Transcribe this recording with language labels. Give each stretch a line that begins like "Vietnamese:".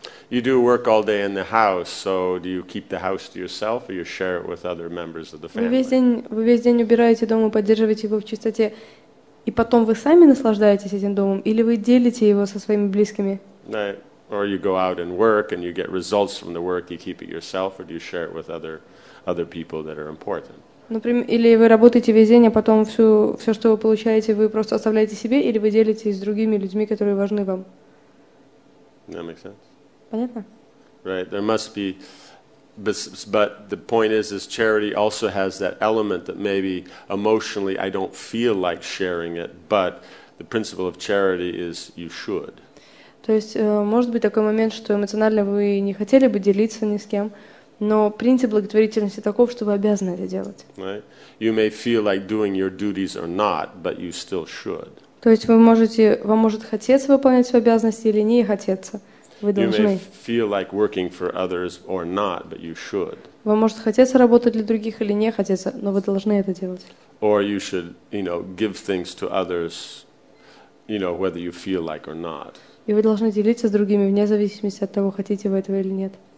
English: You do work all day in the house, so do you keep the house to yourself or you share it with other members of the family?
Russian: Вы весь день убираете дом и поддерживаете его в чистоте, и потом вы сами наслаждаетесь этим домом или вы делите его со своими близкими?
English: Right. Or you go out and work and you get results from the work, you keep it yourself or do you share it with other people that are important?
Russian: Например, или вы работаете весь день, а потом всё, что вы получаете, вы просто оставляете себе или вы делитесь с другими людьми, которые важны вам?
English: That makes sense.
Russian: Понятно?
English: Right, there must be, but the point is charity also has that element that maybe emotionally I don't feel like sharing it, but the principle of charity is you should.
Russian: То есть, может быть такой момент, что эмоционально вы не хотели бы делиться ни с кем, но принцип благотворительности таков, что вы обязаны это делать.
English: Right, you may feel like doing your duties or not, but you still should.
Russian: То есть, вам может хотеться выполнять свои обязанности или не хотеться. Вы можете хотеть работать для других или не хотеть, но вы должны это делать.
English: Or you should, you know, give things to others, you know, whether you feel like or not.
Russian: И вы должны делиться с другими вне зависимости от того, хотите вы этого или нет.